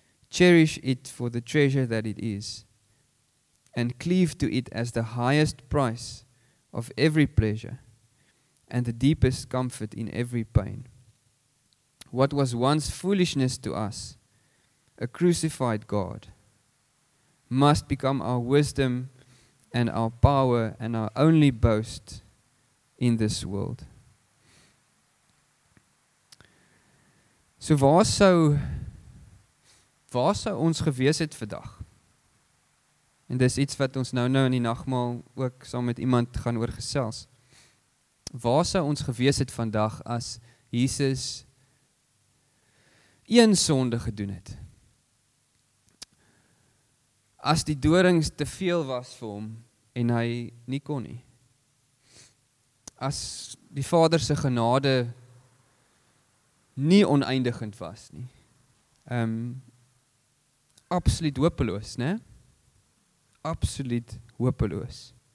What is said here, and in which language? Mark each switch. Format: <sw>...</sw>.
<en>Cherish it for the treasure that it is and cleave to it as the highest price of every pleasure and the deepest comfort in every pain. What was once foolishness to us, a crucified God, must become our wisdom and our power and our only boast in this world.</en> <af>So waar sou ons gewees het vandag? En dis iets wat ons nou in die nagmaal ook saam met iemand gaan oor gesels. Waar sou ons gewees het vandag as Jesus een sonde gedoen het? As die dorings te veel was vir hom, en hy nie kon nie. As die Vader se genade nie oneindigend was nie. Absoluut hopeloos, né? Absoluut hopeloos.</af>